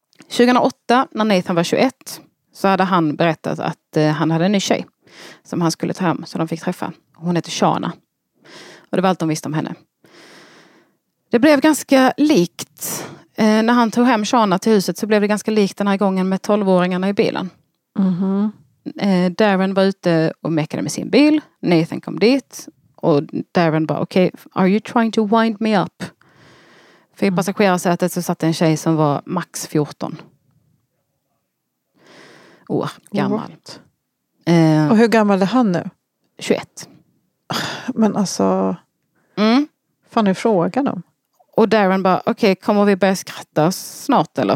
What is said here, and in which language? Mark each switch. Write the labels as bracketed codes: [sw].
[sv] 2008, när Nathan var 21, så hade han berättat att han hade en ny tjej som han skulle ta hem, så de fick träffa. Hon heter Shana. Och det var allt de visste om henne. Det blev ganska likt. När han tog hem Shana till huset så blev det ganska likt den här gången med 12-åringarna i bilen. Mm-hmm. Darren var ute och mekade med sin bil. Nathan kom dit. Och Darren bara, okej, [en] okay, are you trying to wind me up? [sv] För i passagerarsätet så satt en tjej som var max 14 år gammal. Mm. Och hur gammal är han nu? 21. Men alltså, fan är frågan om? Och Darren bara, okej, okay, kommer vi börja skratta snart eller?